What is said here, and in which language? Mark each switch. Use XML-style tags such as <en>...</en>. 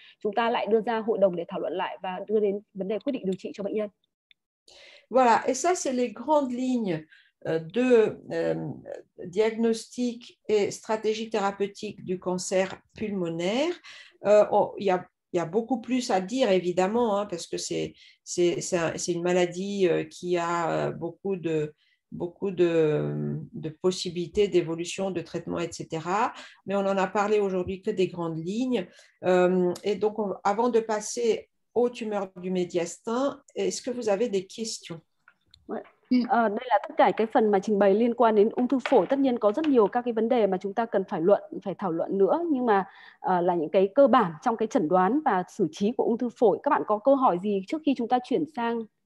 <vi>Chúng ta lại đưa ra hội đồng để thảo luận lại và đưa đến vấn đề quyết định điều trị cho bệnh nhân.</vi> <fr>Voilà, et ça c'est les grandes lignes de diagnostic et stratégie thérapeutique du cancer pulmonaire. Il y a beaucoup plus à dire évidemment, hein, parce que c'est une maladie qui a beaucoup beaucoup de possibilités d'évolution, de traitement, etc. Mais on n'en a parlé aujourd'hui que des grandes lignes. Et donc, avant de passer aux tumeurs du médiastin, est-ce que vous avez des questions?</fr> <vi>Đây là tất cả cái phần mà trình bày liên quan đến ung thư phổi. Tất nhiên có rất nhiều các cái vấn đề mà chúng ta cần phải luận, phải thảo luận nữa. Nhưng mà là những cái cơ bản trong cái chẩn đoán và xử trí của ung thư phổi. Các bạn có câu hỏi gì trước khi chúng ta chuyển sang?</vi>